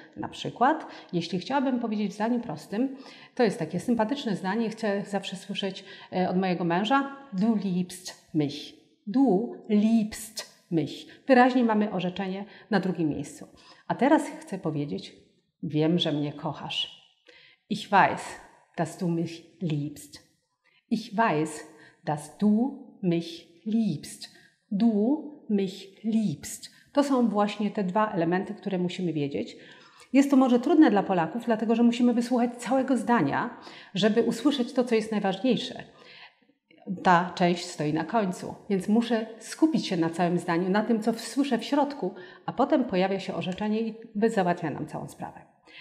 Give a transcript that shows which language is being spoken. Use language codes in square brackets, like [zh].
[pl] Na przykład, jeśli chciałabym powiedzieć w zdaniu prostym, to jest takie sympatyczne zdanie, chcę zawsze słyszeć od mojego męża. [de] Du liebst mich. Du liebst mich. [pl] Wyraźnie mamy orzeczenie na drugim miejscu. A teraz chcę powiedzieć, wiem, że mnie kochasz. [de] Ich weiß, dass du mich liebst. Ich weiß, dass du mich liebst. Du mich liebst. [pl] To są właśnie te dwa elementy, które musimy wiedzieć. Jest to może trudne dla Polaków, dlatego że musimy wysłuchać całego zdania, żeby usłyszeć to, co jest najważniejsze. Ta część stoi na końcu, więc muszę skupić się na całym zdaniu, na tym, co słyszę w środku, a potem pojawia się orzeczenie i załatwia nam całą sprawę.